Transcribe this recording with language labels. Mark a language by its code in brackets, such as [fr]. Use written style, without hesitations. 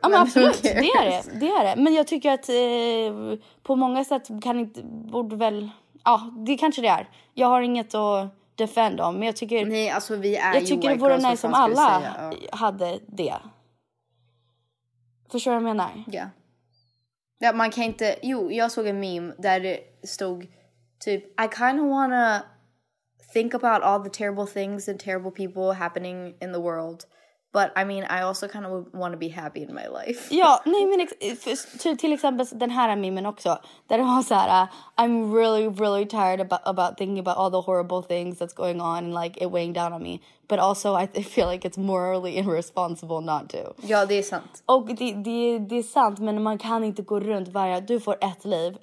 [sv] Ja, men absolut, det är det. Det är det. Men jag tycker att på många sätt kan inte, borde väl, ja, det kanske det är. Jag har inget att... defend dem, men jag tycker... Nej, alltså vi är jag tycker det vore nice om alla hade det. Förstår du vad jag menar? Ja. Yeah. Man kan inte... Jo, jag såg en meme där det stod typ... [en] I kind of wanna think about all the terrible things and terrible people happening in the world. But I mean, I also kind of want to be happy in my life. [sv] Ja, nej men till exempel den här memen också. Där det var så här, [en] I'm really, really tired about thinking about all the horrible things that's going on and like it weighing down on me. But also I feel like it's morally irresponsible not to. [sv] Ja, det är sant. Och det är sant, men man kan inte gå runt varje, du får ett liv.